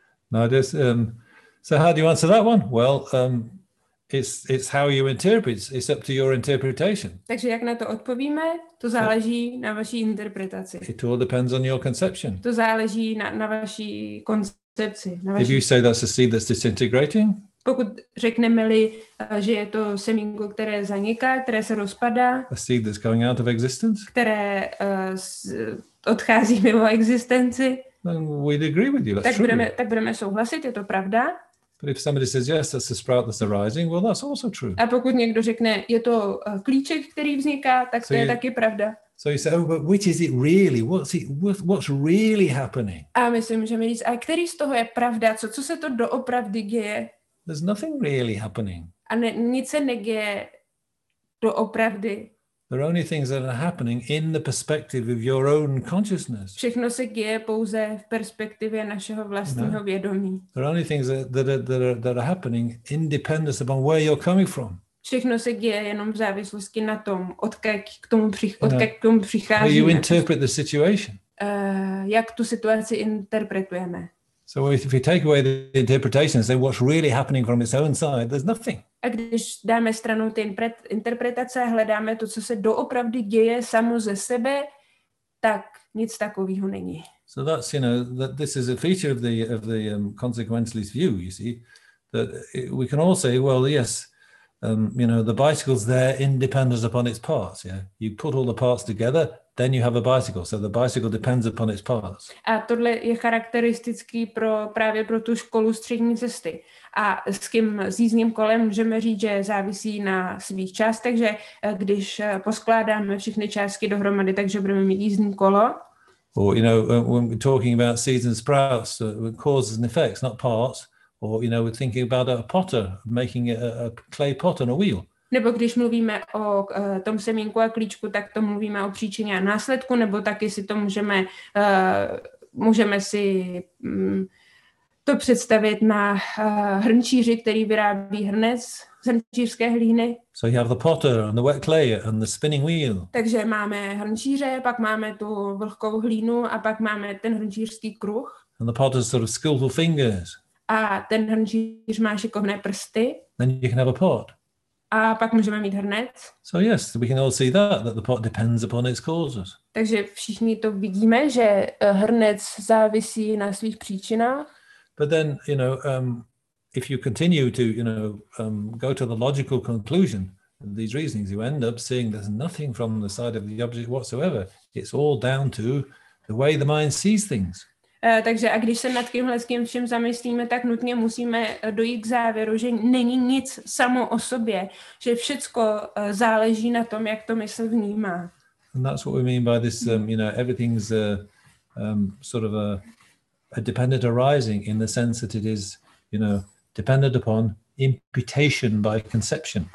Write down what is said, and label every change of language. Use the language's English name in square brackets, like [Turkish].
[English] No, just so how do you answer that one? Well, it's how you interpret. It's up to your interpretation. [Czech] Takže jak na to odpovíme, to záleží na vaší interpretaci. [English] It all depends on your conception. [Czech] To záleží na vaší koncepci. [English] If you say that's a seed that's disintegrating. [Czech] Pokud řekneme-li, že je to semínko, které zaniká, které se rozpadá. [English] A seed that's going out of existence. [Czech] Které odchází mimo existenci. [English] Then we'd agree with you. That's [Czech] tak budeme true. Tak budeme souhlasit, je to pravda. [English] But if somebody says yes, that's a sprout that's arising, well, that's also true. [Czech] A pokud někdo řekne, je to klíček, který vzniká, tak so to je taky pravda. [English] So you say, oh, but which is it really? What's really happening? [Czech] A myslím, že mi říct, a který z toho je pravda? Co se to doopravdy děje? [English] There's nothing really happening. [Czech] A nic se neděje doopravdy. [English] There are only things that are happening in the perspective of your own consciousness. [Czech] Všechno se děje pouze v perspektivě našeho vlastního vědomí. [English] There are only things that are happening independent upon where you're coming from. [Czech] Všechno se děje jenom v závislosti na tom, odkud k tomu přichází. [English] How you interpret the situation. [Czech] Jak tu situaci interpretujeme. [English] So if we take away the interpretation, say what's really happening from its own side, there's nothing. [Czech] A když dáme stranou ty interpretace, hledáme to, co se doopravdy děje samo ze sebe, tak nic takového není. [English] So that's, you know, that this is a feature of the consequentialist view, you see, that we can all say, well, yes, you know, the bicycle's there independent upon its parts, yeah? You put all the parts together, then you have a bicycle, so the bicycle depends upon its parts. [Czech] A tohle je charakteristický právě pro tu školu střední cesty. A s jízdním kolem můžeme říct, že závisí na svých částech, že když poskládáme všechny částky dohromady, takže budeme mít jízdní kolo. [English] Or, you know, when we're talking about seeds and sprouts, causes and effects, not parts. Or, you know, we're thinking about a potter making a clay pot and a wheel. [Czech] Nebo když mluvíme o tom semínku a klíčku, tak to mluvíme o příčině a následku, nebo taky si to můžeme si to představit na hrnčíři, který vyrábí hrnec z hrnčířské hlíny. [English] So you have the potter and the wet clay and the spinning wheel. [Czech] Takže máme hrnčíře, pak máme tu vlhkou hlínu a pak máme ten hrnčířský kruh. [English] And the potter's sort of skillful fingers. [Czech] A ten hrnčíř má šikovné prsty. [English] Then you can have a pot. [Czech] A pak můžeme mít hrnec. [English] So yes, we can all see that the pot depends upon its causes. [Czech] Takže všichni to vidíme, že hrnec závisí na svých příčinách. [English] But then, you know, if you continue to, you know, go to the logical conclusion of these reasonings, you end up seeing there's nothing from the side of the object whatsoever. It's all down to the way the mind sees things. [Czech] Takže a když se nad tímhle vším zamyslíme, tak nutně musíme dojít k závěru, že není nic samo o sobě, že všecko záleží na tom, jak to mysl vnímá. [English] And that's what we mean by this, you know, everything's sort of a dependent arising in the sense that it is, you know, dependent upon imputation by conception.